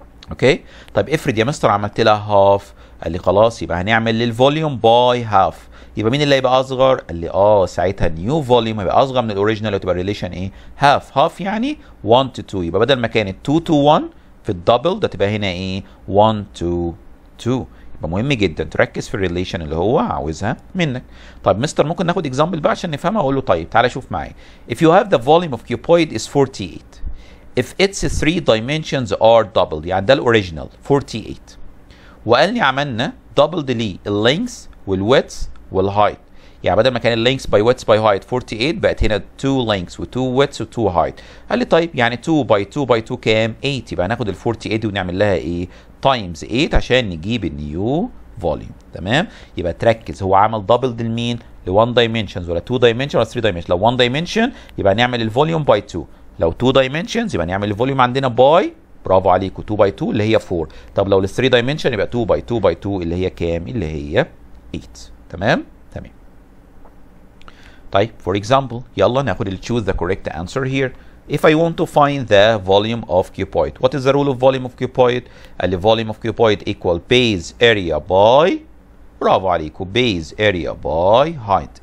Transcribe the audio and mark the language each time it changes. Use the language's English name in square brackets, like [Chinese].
[Arabic] اوكي، طيب افرض يا مستر عملت لها هاف، قال لي خلاص يبقى هنعمل للفوليوم باي هاف، يبقى مين اللي هيبقى اصغر؟ قال لي ساعتها نيو فوليوم هيبقى اصغر من الاوريجينال، وتبقى الريليشن ايه؟ هاف هاف يعني 1 تو 2. يبقى بدل ما كانت 2 تو 1 في الدبل ده تبقى هنا ايه؟ 1 تو 2. يبقى مهم جدا تركز في الريليشن اللي هو عاوزها منك. طيب مستر ممكن ناخد اكزامبل بقى عشان نفهمها؟ اقول له طيب تعالى شوف معايا. [English] If you have the volume of cuboid is 48. If its three dimensions are double، [Arabic] يعني ده الاوريجينال 48. وقال لي عملنا دبل دي اللينث والويث والهايت، يعني بدل ما كان اللينكس باي ويتس باي هايت 48، بقت هنا 2 لينكس و2 ويتس و2 هايت. قال لي طيب يعني 2 باي 2 باي 2 كام؟ 8. يبقى ناخد ال 48 دي ونعمل لها ايه؟ تايمز 8 عشان نجيب النيو فوليوم. تمام؟ يبقى تركز، هو عمل دبل لمين؟ ل 1 دايمنشنز ولا 2 دايمنشنز ولا 3 دايمنشنز؟ لو 1 دايمنشن يبقى نعمل الفوليوم باي 2، لو 2 دايمنشنز يبقى نعمل الفوليوم عندنا باي، برافو عليكم، 2 باي 2 اللي هي 4. طب لو ل 3 دايمنشن يبقى 2 باي 2 باي 2 اللي هي كام؟ اللي هي 8. تمام؟ تمام. طيب [English] for example [Arabic] يلا ناخد ال [English] choose the correct answer here. If I want to find the volume of cuboid, what is the rule of volume of cuboid? The volume of cuboid equal base area by، [Arabic] برافو عليكو، [English] base area by height.